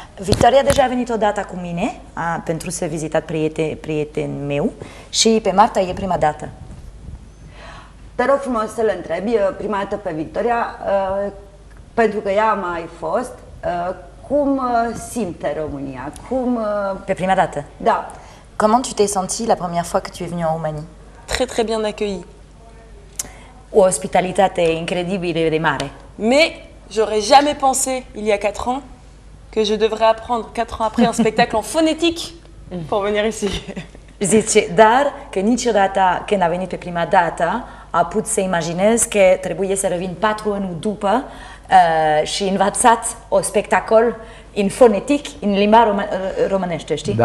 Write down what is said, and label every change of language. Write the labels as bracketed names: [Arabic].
[Romanian] Victoria deja a venit odată cu mine pentru să vizitat prieten meu și pe Marta e prima dată. Te rog frumos să le întrebi prima dată pe Victoria, pentru că ea a mai fost, cum simte România? Cum, pe prima dată? Da. [French] Comment tu t'es senti la première fois que tu es venue en Roumanie? Très très bien accueilli. [Romanian] O ospitalitate incredibile de mare. [French] Mais j'aurais jamais pensé il y a 4 ans que je devrais apprendre 4 ans après un spectacle en phonétique pour venir ici. [Romanian] Zice, dar că niciodată când a venit pe prima dată a putut să imagineze că trebuie să revin 4 ani după și învățat o spectacol în fonetic, în limba românește, știi?